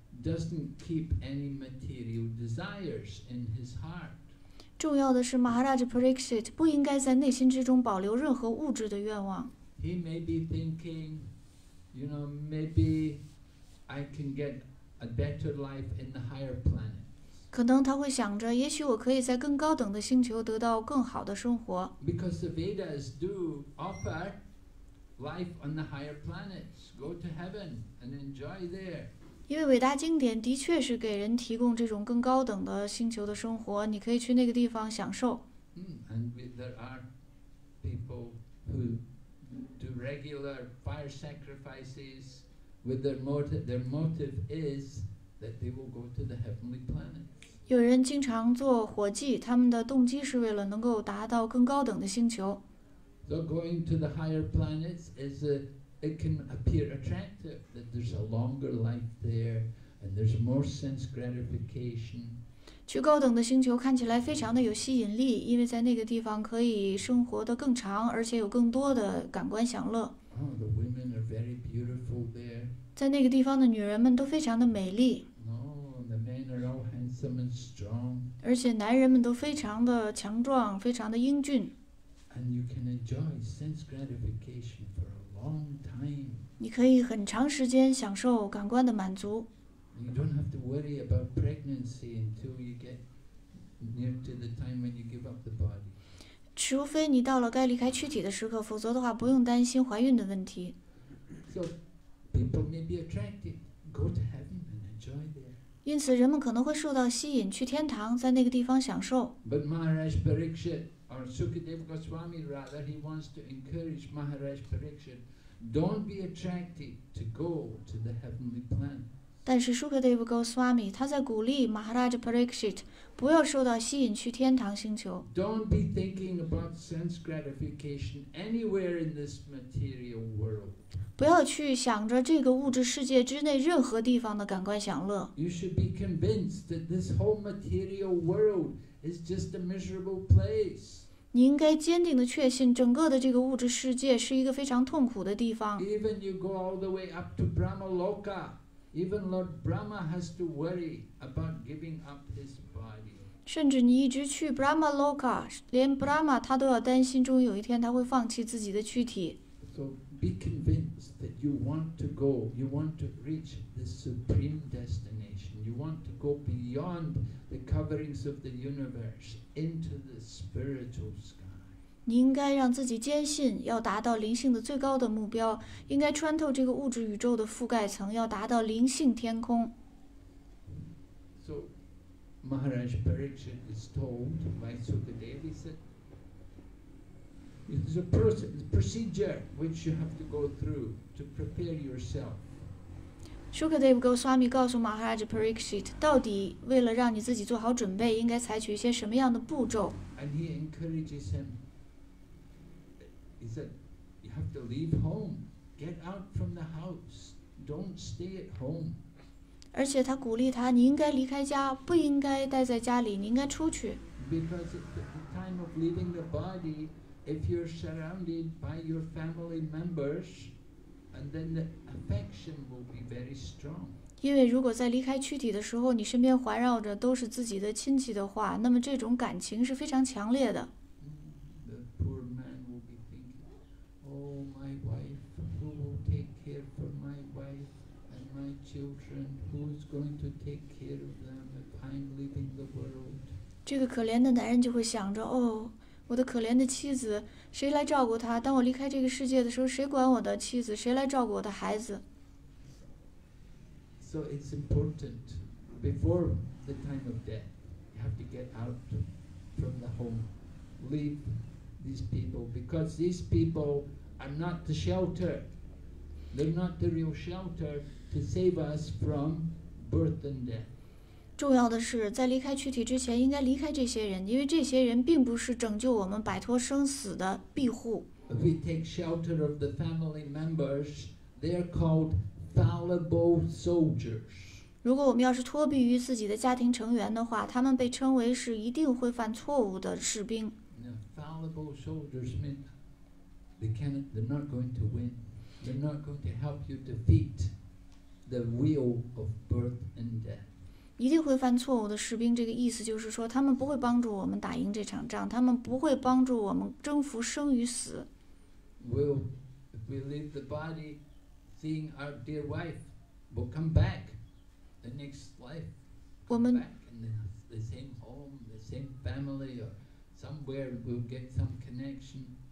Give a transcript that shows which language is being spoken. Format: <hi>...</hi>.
<en>Doesn't keep any material desires in his heart.</en> <zh>重要的是 ，Maharaj Parikshit 不应该在内心之中保留任何物质的愿望。</zh> <en>He may be thinking, you know, maybe I can get a better life in the higher planet.</en> <zh>可能他会想着，也许我可以在更高等的星球得到更好的生活。</zh> <en>Because the Vedas do offer life on the higher planets. Go to heaven and enjoy there.</en> <zh>因为伟大经典的确是给人提供这种更高等的星球的生活，你可以去那个地方享受。</zh> <en>And there are people who do regular fire sacrifices with their motive is that they will go to the heavenly planet.</en> <zh>有人经常做火祭，他们的动机是为了能够达到更高等的星球。</zh> <en>So going to the higher planets is aIt can appear attractive that there's a longer life there, and there's more sense gratification.</en> <zh>去高等的星球看起来非常的有吸引力，因为在那个地方可以生活的更长，而且有更多的感官享乐。</zh> <en>Oh, the women are very beautiful there.</en> <zh>在那个地方的女人们都非常的美丽。</zh> <en>Oh, the men are all handsome and strong.</en> <zh>而且男人们都非常的强壮，非常的英俊。</zh> <en>And you can enjoy sense gratification for a long time.</en> <zh>你可以很长时间享受感官的满足。</zh> <en>You don't have to worry about pregnancy until you get near to the time when you give up the body.</en> <zh>除非你到了该离开躯体的时刻，否则的话不用担心怀孕的问题。</zh> <en>So people may be attracted. Go to heaven and enjoy there.</en> <zh>因此，人们可能会受到吸引，去天堂，在那个地方享受。</zh> <en>But Maharaj Parikshit, or Sukadeva Goswami rather, he wants to encourage Maharaj Parikshit, don't be attracted to go to the heavenly planet.</en> <zh>但是 Sukadeva Goswami 他在鼓励 Maharaj Parikshit 不要受到吸引去天堂星球。</zh> <en>Don't be thinking about sense gratification anywhere in this material world.</en> <zh>不要去想着这个物质世界之内任何地方的感官享乐。</zh> <en>You should be convinced that this whole material world is just a miserable place.</en> <zh>你应该坚定地确信，整个的这个物质世界是一个非常痛苦的地方。</zh> <en>Even you go all the way up to Brahma Loka, even Lord Brahma has to worry about giving up his body.</en> <zh>甚至你一直去 Brahma Loka, 连 Brahma 他都要担心，终于有一天他会放弃自己的躯体。</zh> <en>So be convinced that you want to go, you want to reach the supreme destination. You want to go beyond the coverings of the universe. Into the spiritual sky.</en> <zh>你应该让自己坚信，要达到灵性的最高的目标，应该穿透这个物质宇宙的覆盖层，要达到灵性天空。</zh> <en>So, Maharaj Parikshit is told by Sukadeva, he said, "It is a procedure which you have to go through to prepare yourself."</en> <zh>Sukadeva Goswami 告诉 Maharaj Parikshit， 到底为了让你自己做好准备，应该采取一些什么样的步骤？</zh> <en>And he encourages him. He said, "You have to leave home, get out from the house, don't stay at home."</en> <zh>而且他鼓励他，你应该离开家，不应该待在家里，你应该出去。</zh> <en>Because at the time of leaving the body, if you're surrounded by your family members. And then the affection will be very strong.</en> <zh>因为如果在离开躯体的时候，你身边环绕着都是自己的亲戚的话，那么这种感情是非常强烈的。</zh> <en>The poor man will be thinking, "Oh, my wife, who will take care for my wife and my children? Who is going to take care of them if I'm leaving the world?"</en> <zh>这个可怜的男人就会想着，哦。我的可怜的妻子，谁来照顾她？当我离开这个世界的时候，谁管我的妻子？谁来照顾我的孩子？</zh> <en>So it's important before the time of death, you have to get out from the home, leave these people, because these people are not the shelter. They're not the real shelter to save us from birth and death.</en> <zh>重要的是在离开躯体之前应该离开这些人，因为这些人并不是拯救我们摆脱生死的庇护。</zh> <en>If we take shelter of the family members, they are called fallible soldiers.</en> <zh>如果我们要是脱避于自己的家庭成员的话，他们被称为是一定会犯错误的士兵。</zh> <en>Fallible soldiers mean they're not going to win. They're not going to help you defeat the will of birth and death.</en> <zh>一定会犯错误的士兵，这个意思就是说，他们不会帮助我们打赢这场仗，他们不会帮助我们征服生与死。</zh> <en>We'll, if we leave the body, seeing our dear wife, we'll come back the next life. We'll come back in the same home, the same family, or somewhere we'll get some connection.</en>